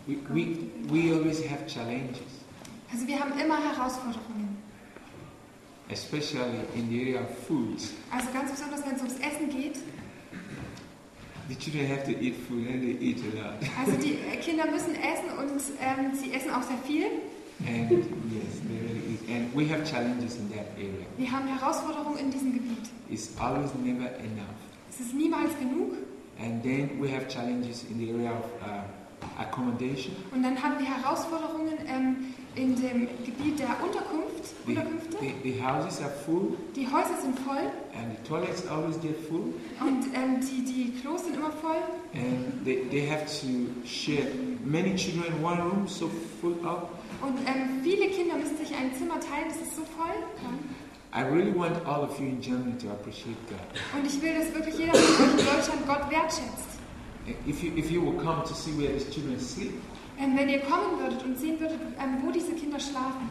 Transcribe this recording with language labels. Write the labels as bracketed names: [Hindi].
[English] We always have challenges. [German] Also wir haben immer Herausforderungen. [English] Especially in the area of food. [German] Also ganz besonders wenn es ums Essen geht. [English] The children have to eat food and they eat a lot. [German] Also die Kinder müssen essen und sie essen auch sehr viel. [English] And yes, they really eat. And we have challenges in that area. [German] Wir haben Herausforderungen in diesem Gebiet. [English] It's always never enough. [German] Es ist niemals genug. [English] And then we have challenges in the area of accommodation. [German] Und dann haben wir Herausforderungen in dem Gebiet der Unterkunft. [English] The houses are full. [German] Die Häuser sind voll. [English] And the toilets always get full. [German] Und die Klos sind immer voll. [English] And they have to share many children in one room, so full up. [German] Und viele Kinder müssen sich ein Zimmer teilen, das ist so voll. [English] I really want all of you in Germany to appreciate God. [German] Und ich will, dass wirklich jeder von euch in Deutschland Gott wertschätzt. [English] If you will come to see where these children sleep, [German] and wenn ihr kommen würdet und sehen würdet, wo diese Kinder schlafen,